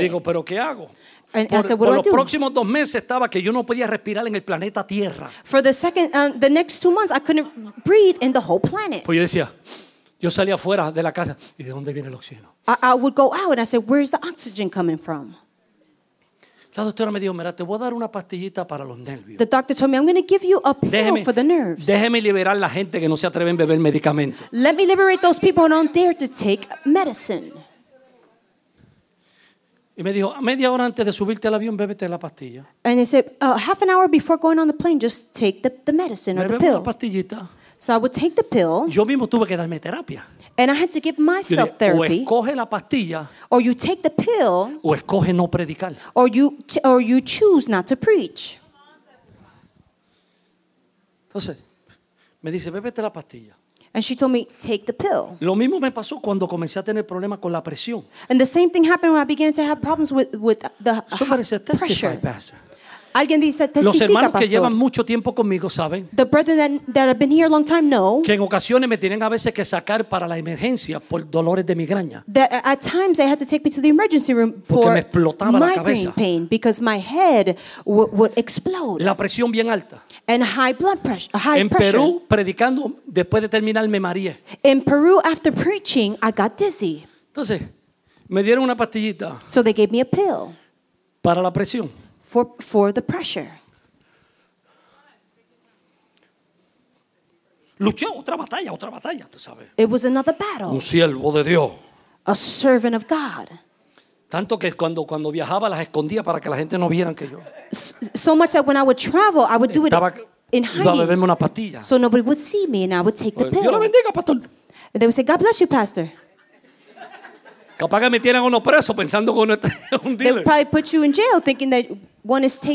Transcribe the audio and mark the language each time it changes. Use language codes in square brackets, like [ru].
[es] Digo, ¿pero qué hago? [en] And [es] por, [en] I said, what [es] por [en] do [es] los [en] I do? [es] Próximos dos meses estaba que yo no podía respirar en el planeta Tierra. [en] For the second, the next two months, I couldn't breathe in the whole planet. [es] Pues yo decía, yo salía afuera de la casa, ¿y de dónde viene el oxígeno? [en] I would go out and I said, where is the oxygen coming from? [es] La doctora me dijo, mira, te voy a dar una pastillita para los nervios. [en] The doctor told me, I'm going to give you a pill for the nerves. [es] Déjeme liberar la gente que no se atreven a beber medicamento. [en] Let me liberate those people who don't dare to take medicine. [es] Y me dijo, a media hora antes de subirte al avión, bébete la pastilla. [en] And he said, half an hour before going on the plane, just take the medicine or [es] me [en] the pill. [es] La pastillita. [en] So I would take the pill. [es] Yo mismo tuve que darme terapia. [en] And I had to give myself therapy. [es] O escoge la pastilla, [en] or you take the pill. [es] O escoge no predicar. [en] Or you choose not to preach. [es] Entonces, me dice, bébete la pastilla. [en] And she told me, take the pill. [es] Lo mismo me pasó cuando comencé a tener problemas con la presión. [en] And the same thing happened when I began to have problems with the pressure. Pressure. [es] Alguien dice, testifica, los hermanos pastor, que llevan mucho tiempo conmigo saben. [en] The brethren that have been here a long time know. [es] Que en ocasiones me tienen a veces que sacar para la emergencia por dolores de migraña. [en] That at times they had to take me to the emergency room for migraine pain because my head would explode. [es] La presión bien alta. [en] And high blood pressure. [es] En Perú predicando después de terminar me mareé. [en] In Peru after preaching I got dizzy. [es] Entonces me dieron una pastillita. [en] So they gave me a pill. [es] Para la presión. [en] For the pressure. [es] Luché otra batalla, tú sabes. [en] It was another battle. [es] Un siervo de Dios. [en] A servant of God. [es] Tanto que cuando viajaba las escondía para que la gente no vieran que yo. [en] So much that when I would travel, I would [es] estaba, [en] do it in hiding. [es] Iba a beberme una pastilla. [en] So nobody would see me, and I would take the pill. [es] Dios lo bendiga, pastor. [en] And they would say, God bless you, pastor. [es] Capaz que me tienen uno preso pensando que uno es un dealer. [en] They would probably put you in jail thinking that one is taking.